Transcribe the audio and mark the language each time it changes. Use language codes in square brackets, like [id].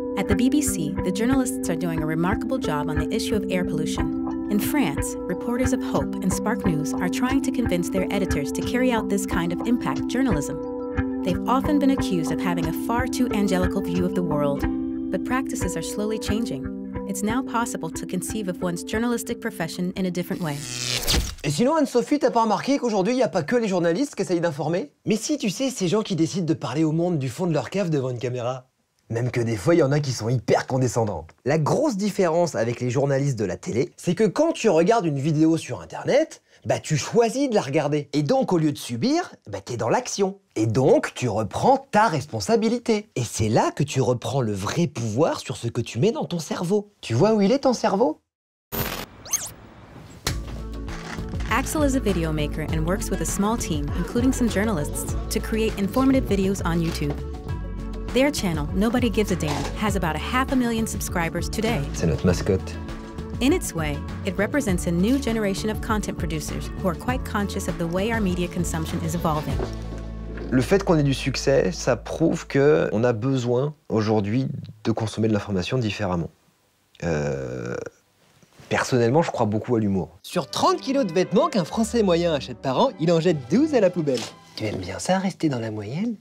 [en] At the BBC, the journalists are doing a remarkable job on the issue of air pollution. In France, reporters of Hope and Spark News are trying to convince their editors to carry out this kind of impact journalism. They've often been accused of having a far too angelical view of the world, but practices are slowly changing. It's now possible to conceive of one's journalistic profession in a different way. [fr] Et sinon, Anne-Sophie, t'as pas remarqué qu'aujourd'hui, il n'y a pas que les journalistes qui essayent d'informer? Mais si, tu sais, ces gens qui décident de parler au monde du fond de leur cave devant une caméra. Même que des fois, il y en a qui sont hyper condescendants. La grosse différence avec les journalistes de la télé, c'est que quand tu regardes une vidéo sur Internet, bah tu choisis de la regarder. Et donc, au lieu de subir, bah t'es dans l'action. Et donc, tu reprends ta responsabilité. Et c'est là que tu reprends le vrai pouvoir sur ce que tu mets dans ton cerveau. Tu vois où il est ton cerveau ? [en] Axel is a video maker and works with a small team, including some journalists, to create informative videos on YouTube. Their channel, Nobody Gives a Damn, has about 500,000 subscribers today. [fr] C'est notre mascotte. [en] In its way, it represents a new generation of content producers who are quite conscious of the way our media consumption is evolving. [fr] Le fait qu'on ait du succès, ça prouve que on a besoin aujourd'hui de consommer de l'information différemment. Personnellement, je crois beaucoup à l'humour. Sur 30 kilos de vêtements qu'un Français moyen achète par an, il en jette 12 à la poubelle. Tu aimes bien ça, rester dans la moyenne?